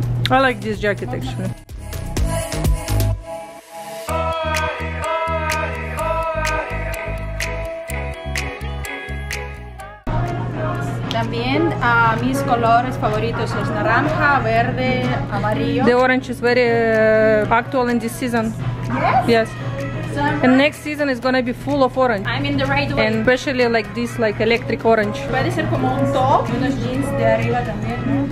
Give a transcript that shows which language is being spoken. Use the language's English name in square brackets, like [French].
[English] I like this jacket, actually. [Spanish] También mis colores favoritos es naranja, verde, amarillo. [English] The orange is very actual in this season. Yes. And next season is gonna be full of orange. I'm in the right way. And especially like this, like electric orange. [Spanish] Puede ser como un top y unos jeans de arriba también.